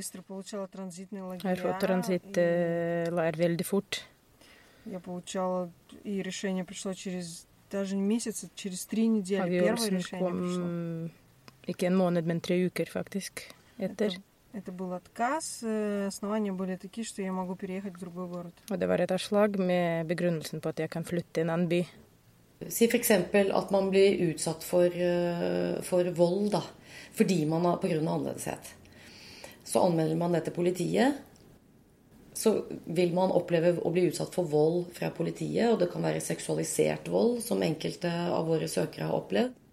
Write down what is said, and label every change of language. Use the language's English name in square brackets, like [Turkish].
[Norwegian] Jeg får transit lær veldig fort. Jeg [Russian] получала и решение пришло через даже месяц, через 3 недели первое решение пришло. Ikke en måned, men 3 uker faktisk etter. Это был отказ. Основания были такие, что я могу переехать в другой город. [Norwegian] Og det var et avslag med begrunnelsen på at jeg kan flytte i en annen by. Si for eksempel at man blir utsatt for vold da, fordi man har på grunn av annerledeshet. Så anmelder man det til politiet, så vil man oppleve å bli utsatt for vold fra politiet, og det kan være seksualisert vold, som enkelte av våre søkere har opplevd.